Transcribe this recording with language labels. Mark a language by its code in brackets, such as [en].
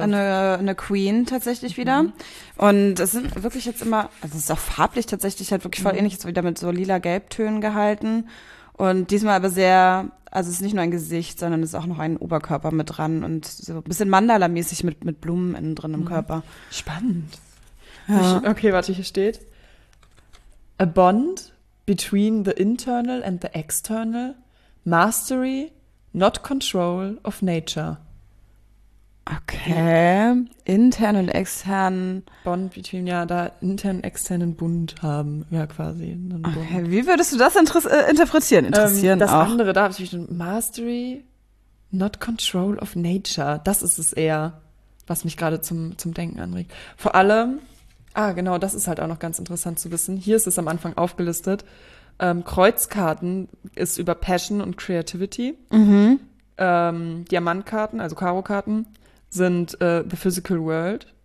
[de] Eine Queen tatsächlich wieder. Und es sind wirklich jetzt immer, also es ist auch farblich tatsächlich halt wirklich voll ähnlich, so wieder mit so lila-gelb-Tönen gehalten. Und diesmal aber sehr, also es ist nicht nur ein Gesicht, sondern es ist auch noch ein Oberkörper mit dran und so ein bisschen Mandala-mäßig mit Blumen innen drin im Körper. Spannend. Ja. Okay, warte, hier steht. [en] A bond between the internal and the external. Mastery, not control of nature. [de] Okay. Intern und extern. [en] Bond between, [de] ja, da intern, externen Bund haben. Ja, quasi. Einen Bund. Okay, wie würdest du das interpretieren? Interessieren das auch. Das andere, da habe ich schon. [en] Mastery, not control of nature. [de] Das ist es eher, was mich gerade zum Denken anregt. Vor allem. Ah, genau, das ist halt auch noch ganz interessant zu wissen. Hier ist es am Anfang aufgelistet. Kreuzkarten ist über Passion und Creativity. Mhm. Diamantkarten, also Karo-Karten, sind [en] the physical world.